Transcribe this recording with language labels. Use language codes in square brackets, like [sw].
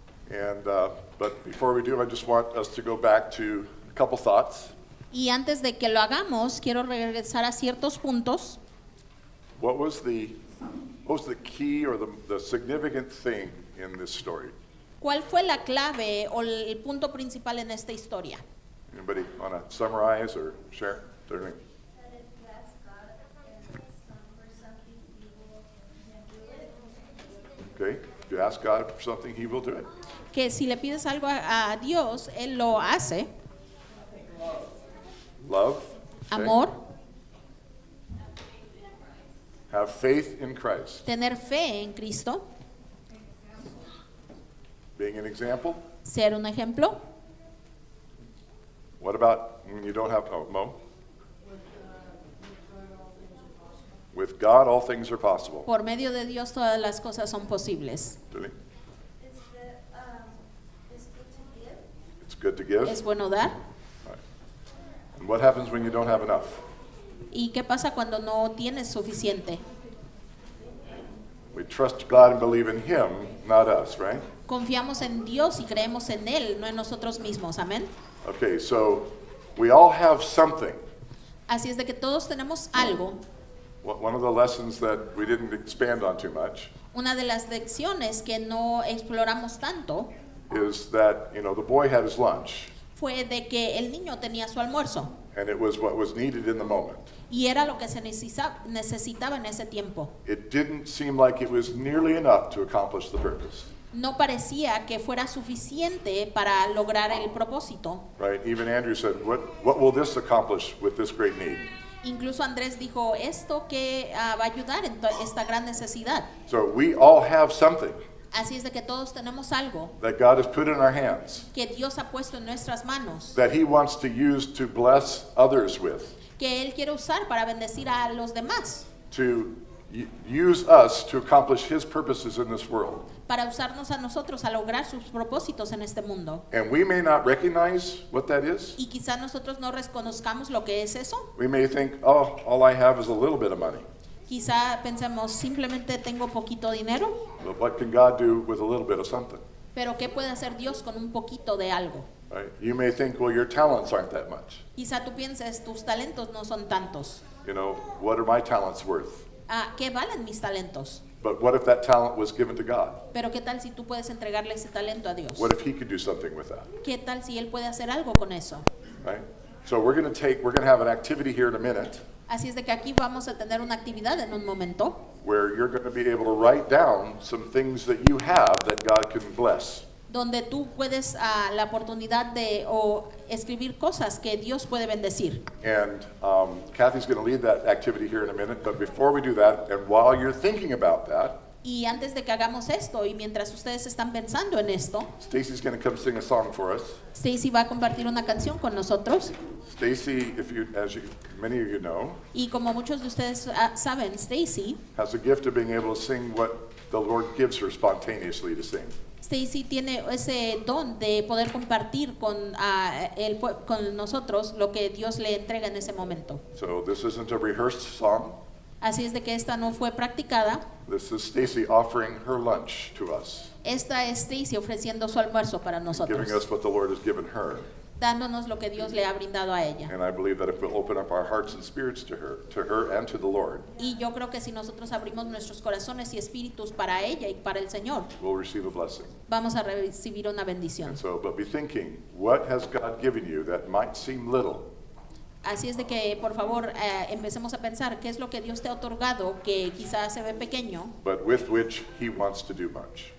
[en] And but before we do, I just want us to go back to a couple thoughts. [es] Y antes de que lo hagamos, quiero regresar a ciertos puntos. [en] What was the key or the significant thing in this story? [es] ¿Cuál fue la clave o el punto principal en esta historia? [en] Anybody want to summarize or share their name? Okay, if you ask God for something, he will do it. [es] Que si le pides algo a Dios, él lo hace. [en] Love. [es] Okay. Amor. [en] Have faith in Christ. [es] Tener fe en Cristo. [en] Being an example. [es] Ser un ejemplo. [en] What about when you don't have, oh, Mo? With God, all things are possible. [es] Por medio de Dios, todas las cosas son posibles. [en] Really? It's good to give. It's good to give. [es] Es bueno dar. [en] Right. And what happens when you don't have enough? [es] ¿Y qué pasa cuando no tienes suficiente? [en] We trust God and believe in Him, not us, right? [es] Confiamos en Dios y creemos en Él, no en nosotros mismos. [en] Amen. Okay, so we all have something. [es] Así es de que todos tenemos algo. [en] One of the lessons that we didn't expand on too much. [es] Una de las lecciones que no exploramos tanto. [en] Is that, you know, the boy had his lunch. [es] Fue de que el niño tenía su almuerzo. [en] And it was what was needed in the moment. [es] Y era lo que se necesitaba en ese tiempo. [en] It didn't seem like it was nearly enough to accomplish the purpose. [es] No parecía que fuera suficiente para lograr el propósito. [en] Right, even Andrew said, what will this accomplish with this great need? [es] Incluso Andrés dijo, ¿esto qué va a ayudar en esta gran necesidad? [en] So we all have something. [es] Así es de que todos tenemos algo. [en] That God has put in our hands. [es] Que Dios ha puesto en nuestras manos. [en] That he wants to use to bless others with. [es] Que él quiere usar para bendecir a los demás. [en] To use us to accomplish his purposes in this world. [es] Para usarnos a nosotros a lograr sus propósitos en este mundo. [en] And we may not recognize what that is. [es] Y quizá nosotros no reconozcamos lo que es eso. [en] We may think, oh, all I have is a little bit of money. [es] Quizá pensemos, simplemente tengo poquito dinero. [en] But what can God do with a little bit of something? [es] Pero ¿qué puede hacer Dios con un poquito de algo? [en] Right. You may think, well, your talents aren't that much. [es] Quizá tú pienses, tus talentos no son tantos. [en] You know, what are my talents worth? [es] ¿Qué valen mis talentos? [en] But what if that talent was given to God? [es] Pero ¿qué tal si tú puedes entregarle ese talento a Dios? [en] What if he could do something with that? [es] ¿Qué tal si él puede hacer algo con eso? [en] Right. So we're going to have an activity here in a minute. [es] Así es de que aquí vamos a tener una actividad en un momento. [en] Where you're going to be able to write down some things that you have that God can bless. [es] Donde tú puedes la oportunidad de o escribir cosas que Dios puede bendecir. [en] And Kathy's going to lead that activity here in a minute, but before we do that, and while you're thinking about that, [es] y antes de que hagamos esto y mientras ustedes están pensando en esto, [en] Stacy's going to come sing a song for us. [es] Stacy va a compartir una canción con nosotros. [en] Stacy, if you, as you, many of you know, [es] y como muchos de ustedes saben, Stacy [en] has a gift of being able to sing what the Lord gives her spontaneously to sing. [es] Stacy tiene ese don de poder compartir con con nosotros lo que Dios le entrega en ese momento. [en] So this isn't a rehearsed song. [es] Así es de que esta no fue practicada. [en] This is Stacy offering her lunch to us. [es] Esta es Stacy ofreciendo su almuerzo para nosotros. [en] Giving us what the Lord has given her. [es] Dándonos lo que Dios le ha brindado a ella. [en] And I believe that if we open up our hearts and spirits to her and to the Lord. [es] Y yo creo que si nosotros abrimos nuestros corazones y espíritus para ella y para el Señor. [en] We'll receive a blessing. [es] Vamos a recibir una bendición. [en] And so, but be thinking, what has God given you that might seem little? [es] Así es de que, por favor, empecemos a pensar qué es lo que Dios te ha otorgado que quizás se ve pequeño. [en] But with which he wants to do much.